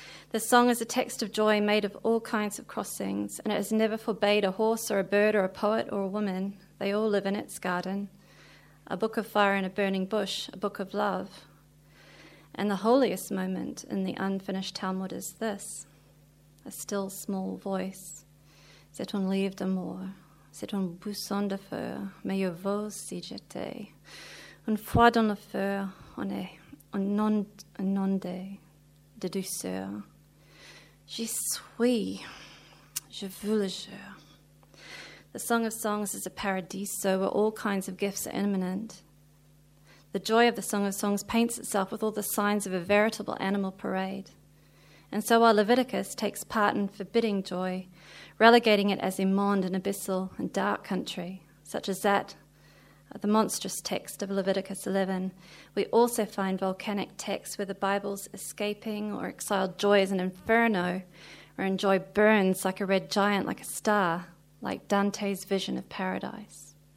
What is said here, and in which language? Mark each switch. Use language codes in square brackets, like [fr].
[en] The song is a text of joy made of all kinds of crossings, and it has never forbade a horse or a bird or a poet or a woman. They all live in its garden, a book of fire in a burning bush, a book of love. And the holiest moment in the unfinished Talmud is this, a still small voice. [fr] C'est un livre d'amour, c'est un buisson de feu, mais je vous si j'étais. Une fois dans le feu, on est inondé de douceur. J'y suis, je vous le jure. [en] The Song of Songs is a paradiso where all kinds of gifts are imminent. The joy of the Song of Songs paints itself with all the signs of a veritable animal parade. And so while Leviticus takes part in forbidding joy, relegating it as immonde and abyssal and dark country, such as that, the monstrous text of Leviticus 11, we also find volcanic texts where the Bible's escaping or exiled joy is an inferno, wherein joy burns like a red giant, like a star, like Dante's vision of paradise.